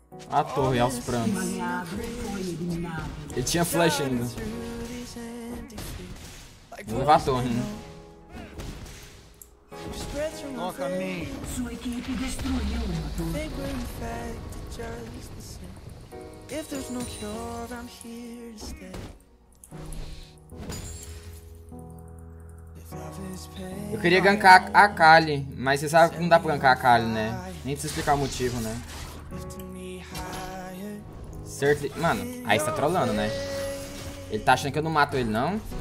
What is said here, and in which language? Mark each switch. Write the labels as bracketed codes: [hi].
[pt] A torre, aos prantos. Ele tinha flash ainda. Vou levar a torre, né? Sua equipe destruiu uma torre. [en] If there's no cure, I'm here to stay. [pt] Eu queria gankar a Akali, mas você sabe que não dá pra gankar a Akali, né? Nem precisa explicar o motivo, né? Certo. Mano, aí você tá trolando, né? Ele tá achando que eu não mato ele, não?